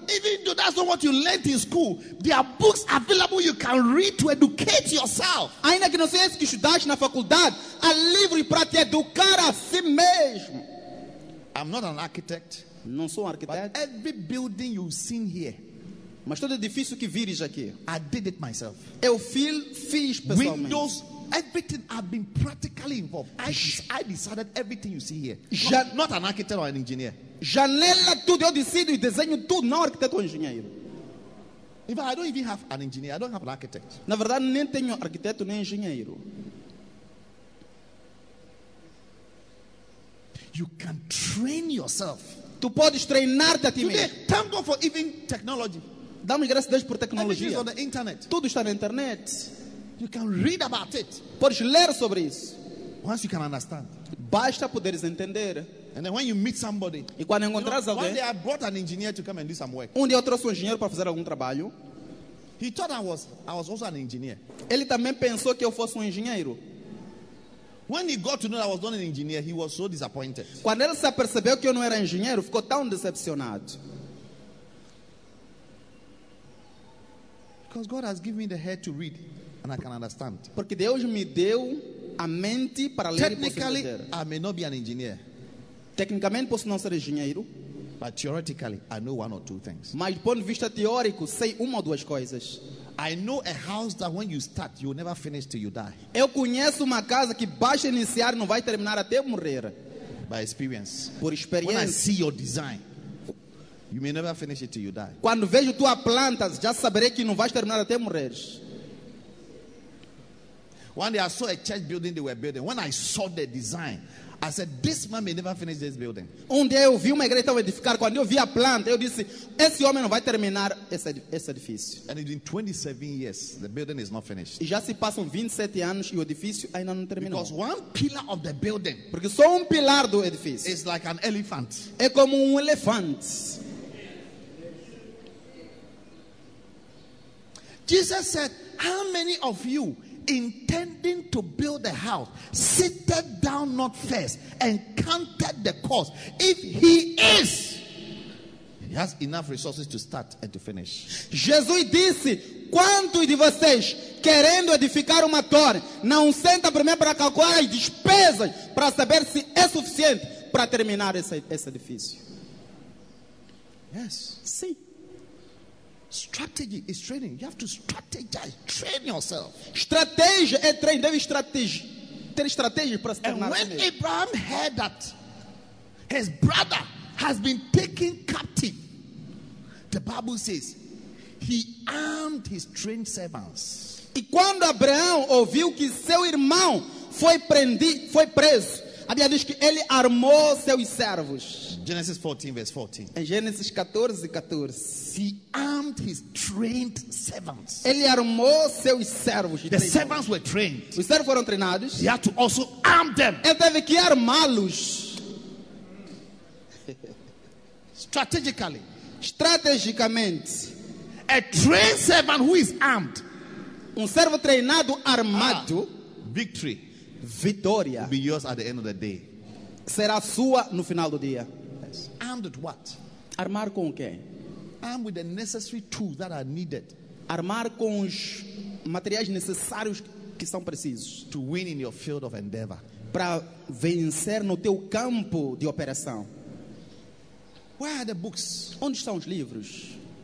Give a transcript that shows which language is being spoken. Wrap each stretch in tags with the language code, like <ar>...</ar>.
<en>Even though that's not what you learned in school, there are books available you can read to educate yourself.</en> <pt>Ainda que não seja isso que estudaste na faculdade, há livros para te educar a si mesmo.</pt> <en>I'm not an architect.</en> <pt>Não sou um arquiteto.</pt> <en>But every building you've seen here.</en> <pt>Mas todo edifício que vires aqui.</pt> <en>I did it myself.</en> <pt>Eu fiz pessoalmente.</pt> <en>Windows, everything I've been practically involved. I decided everything you see here. Not an architect or an engineer.</en> <pt>Janela tudo, eu decido e desenho tudo, não arquiteto ou engenheiro.</pt> <en>In fact, I don't even have an engineer, I don't have an architect.</en> <pt>Na verdade, nem tenho arquiteto nem engenheiro.</pt> <en>You can train yourself.</en> <pt>Tu podes treinar-te a ti mesmo.</pt> <en>Thank God for even technology.</en> <pt>Damos graças a Deus por tecnologia.</pt> <en>Everything is on the internet.</en> <pt>Tudo está na internet.</pt> <en>You can read about it.</en> <pt>Podes ler sobre isso.</pt> <en>Once you can understand.</en> <pt>Basta poderes entender.</pt> <en>And then when you meet somebody.</en> <pt>E quando encontras alguém.</pt> <en>One day I brought an engineer to come and do some work.</en> <pt>Um dia eu trouxe um engenheiro para fazer algum trabalho.</pt> <en>He thought I was also an engineer.</en> <pt>Ele também pensou que eu fosse um engenheiro.</pt> <en>When he got to know that I was not an engineer, he was so disappointed.</en> <pt>Quando ele se apercebeu que eu não era engenheiro, ficou tão decepcionado.</pt> <en>Because God has given me the head to read and I can understand.</en> <pt>Porque Deus me deu a mente para ler e entender.</pt> <en>Technically, I may not be an engineer.</en> <pt>Tecnicamente posso não ser engenheiro.</pt> <en>But theoretically, I know one or two things.</en> <pt>Mas do ponto de vista teórico, sei uma ou duas coisas.</pt> <en>I know a house that when you start, you will never finish till you die.</en> <pt>Eu conheço uma casa que basta iniciar e não vai terminar até morrer.</pt> <en>By experience.</en> <pt>Por experiência.</pt> <en>When I see your design, you may never finish it till you die.</en> <pt>Quando vejo tua planta, já saberei que não vais terminar até morrer.</pt> <en>One day I saw a church building they were building. When I saw the design, I said, this man may never finish this building.</en> <pt>Um dia eu vi uma igreja que estava edificada. Quando eu vi a planta, eu disse, esse homem não vai terminar esse edifício.</pt> <en>And it's been 27 years, the building is not finished.</en> <pt>E já se passam 27 anos e o edifício ainda não terminou.</pt> <en>Because one pillar of the building.</en> <pt>Porque só um pilar do edifício.</pt> <en>Is like an elephant.</en> <pt>É como um elefante.</pt> <en>Jesus said, how many of you intending to build a house, sitteth down not first and counted the cost? If he is, he has enough resources to start and to finish.</en> <pt>Jesus disse, quantos de vocês querendo edificar uma torre não senta primeiro para calcular as despesas para saber se é suficiente para terminar esse edifício?</pt> <en>Yes.</en> <pt>Sim.</pt> <en>Strategy is training. You have to strategize, train yourself.</en> <pt>Estratégia é treino. Deve ter estratégia para se tornar.</pt> <en>And when Abraham heard that his brother has been taken captive, the Bible says he armed his trained servants.</en> <pt>E quando Abraão ouviu que seu irmão foi preso, a Bíblia diz que ele armou seus servos.</pt> <en>Genesis 14, verse 14.</en> <pt>Em Gênesis 14, 14.</pt> <en>He armed his trained servants.</en> <pt>Ele armou seus servos.</pt> <en>The servants were trained.</en> <pt>Os servos foram treinados.</pt> <en>He had to also arm them.</en> <pt>Ele teve que armá-los.</pt> <en>Strategically.</en> <pt>Estrategicamente.</pt> <en>A trained servant who is armed.</en> <pt>Um servo treinado armado.</pt> <en>Victory.</en> <pt>Vitória</pt> <en>will be yours at the end of the day.</en> <pt>Será sua no final do dia.</pt> <en>Yes. Armed with what?</en> <pt>Armar com o quê?</pt> <en>Armed with the necessary tools that are needed.</en> <pt>Armar com os materiais necessários que são precisos.</pt> <en>To win in your field of endeavor.</en> <pt>Para vencer no teu campo de operação.</pt> <en>Where are the books?</en> <pt>Onde estão os livros?</pt>